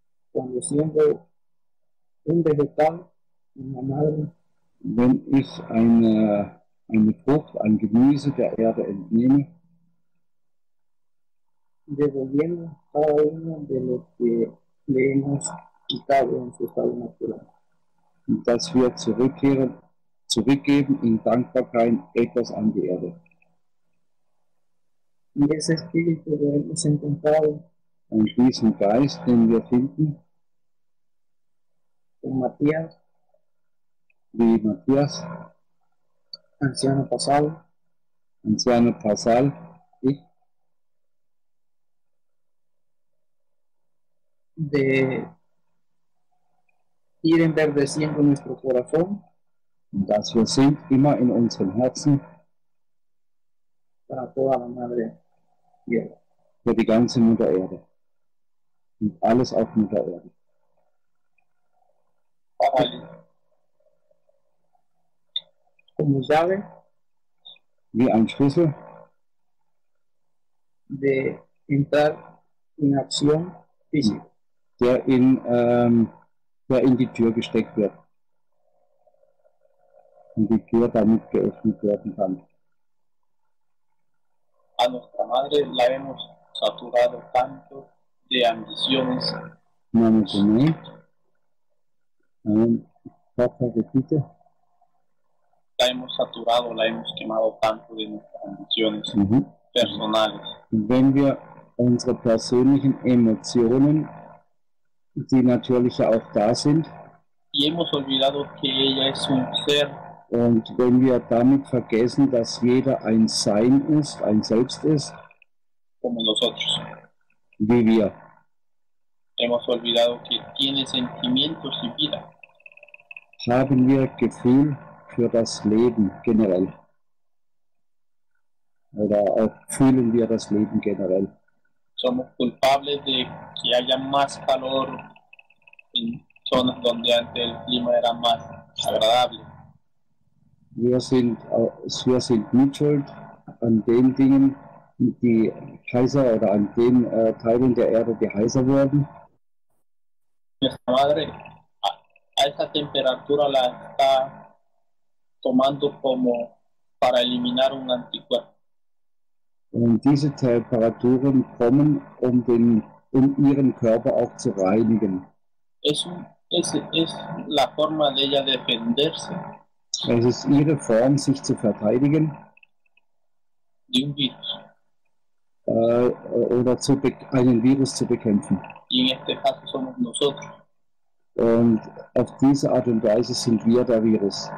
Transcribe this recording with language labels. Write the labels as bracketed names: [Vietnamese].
[Spanish] cuando siendo un vegetal en la madre, [German] wenn ich eine Frucht, ein Gemüse der Erde entnehme, [Spanish] devolviendo cada uno de lo que le hemos quitado en su estado natural, [German] dass wir zurückgeben in Dankbarkeit etwas an die Erde. [Spanish] Y ese espíritu que hemos encontrado, [German] und diesen Geist, den wir finden, [Spanish] con Matías, [German] wie Matthias, [Spanish] Anciano Pasal, [German] ich, [Spanish] de ir enverdeciendo nuestro corazón, [German] dass wir sind immer in unserem Herzen, [Spanish] para toda la madre, [German] für die ganze Mutter Erde und alles auf Mutter Erde. [Spanish] Como llave, [German] wie ein Schlüssel, [Spanish] de entrar en acción física, [German] der in die Tür gesteckt wird und die Tür damit geöffnet werden kann. [Spanish] A nuestra madre la hemos saturado tanto de ambiciones. La hemos saturado, la hemos quemado tanto de nuestras ambiciones personales. [German] Wenn wir unsere persönlichen Emotionen, die natürlich auch da sind, [Spanish] y hemos olvidado que ella es un ser [German] Und wenn wir damit vergessen, dass jeder ein Sein ist, ein Selbst ist, [Spanish] como nosotros, [German] wie wir, [Spanish] hemos olvidado que tiene sentimientos y vida, [German] haben wir Gefühl für das Leben generell. Oder auch fühlen wir das Leben generell. [Spanish] Somos culpables de que haya más calor en zonas donde antes el clima era más agradable. [German] Wir sind mitschuld an den Dingen, die heißer oder an den Teilen der Erde, die heißer werden. [Spanish] Nuestra madre a esa temperatura la está tomando como para eliminar un anticuerpo. [German] Und diese Temperaturen kommen, um ihren Körper auch zu reinigen. [Spanish] Es la forma de ella defenderse. [German] Es ist ihre Form, sich zu verteidigen. [Spanish] De un virus. [German] Oder einen Virus zu bekämpfen. [Spanish] Y en este caso somos nosotros. [German] Und auf diese Art und Weise sind wir der Virus.